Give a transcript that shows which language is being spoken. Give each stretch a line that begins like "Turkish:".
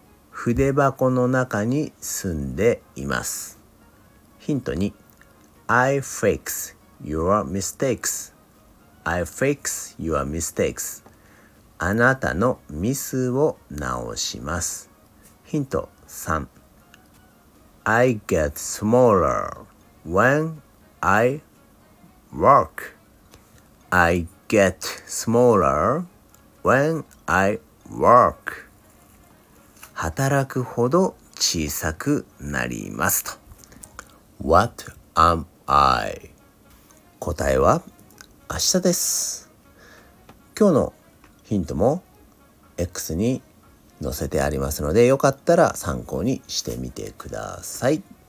Japanese: 筆箱の中に住んでいます。ヒント2、
English: I fix your mistakes.
Japanese: あなたのミスを直します。ヒント3。
English: I get smaller when I work. I get smaller when I work.
Japanese: 働くほど小さくなりますと。
English: What am I?
Japanese: 答えは明日です。今日のヒントも X に載せてありますので、よかったら参考にしてみてください。